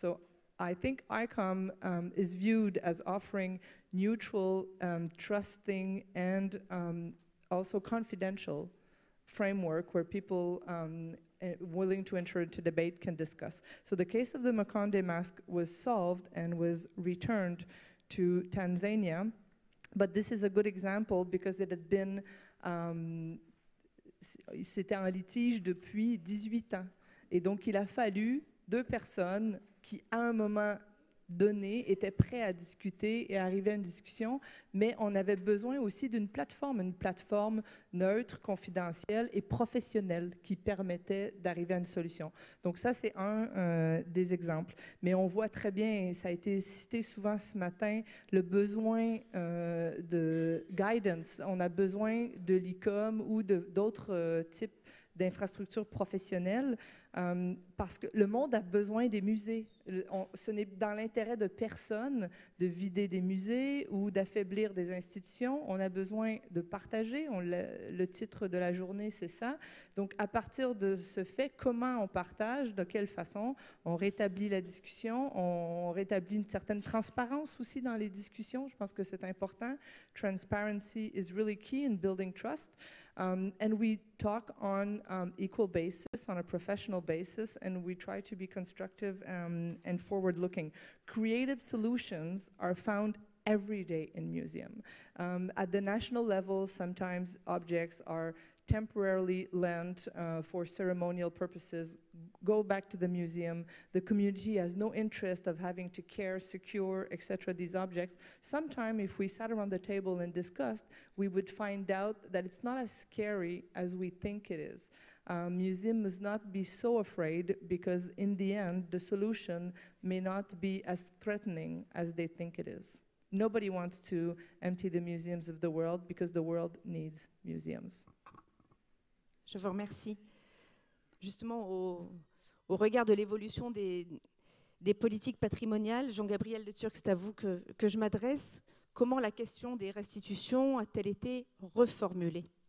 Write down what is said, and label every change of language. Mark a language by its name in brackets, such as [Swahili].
[English] So I think ICOM is viewed as offering neutral, trusting, and also confidential framework where people willing to enter into debate can discuss. So the case of the Makonde mask was solved and was returned to Tanzania, but this is a good example because it had been [French] c'était un litige depuis 18 ans. Et donc, il a fallu deux personnes qui, à un moment donné, étaient prêtes à discuter et arriver à une discussion. Mais on avait besoin aussi d'une plateforme, neutre, confidentielle et professionnelle qui permettait d'arriver à une solution. Donc ça, c'est un des exemples. Mais on voit très bien, et ça a été cité souvent ce matin, le besoin de guidance. On a besoin de l'ICOM ou d'autres types d'infrastructures professionnelles, parce que le monde a besoin des musées. Ce n'est dans l'intérêt de personne de vider des musées ou d'affaiblir des institutions. On a besoin de partager. Le titre de la journée, c'est ça. Donc, à partir de ce fait, comment on partage, de quelle façon on rétablit la discussion, on rétablit une certaine transparence aussi dans les discussions. Je pense que c'est important. [English] Transparency is really key in building trust. And we talk on equal basis, on a professional basis, and we try to be constructive and forward-looking. Creative solutions are found every day in museum. At the national level, sometimes objects are temporarily lent for ceremonial purposes, go back to the museum. The community has no interest of having to care, secure, etc., these objects. Sometime, if we sat around the table and discussed, we would find out that it's not as scary as we think it is. Museum must not be so afraid, because in the end, the solution may not be as threatening as they think it is. Nobody wants to empty the museums of the world, because the world needs museums. [French] Je vous remercie. Justement, au regard de l'évolution des politiques patrimoniales, Jean-Gabriel Le Turc, c'est à vous que je m'adresse. Comment la question des restitutions a-t-elle été reformulée?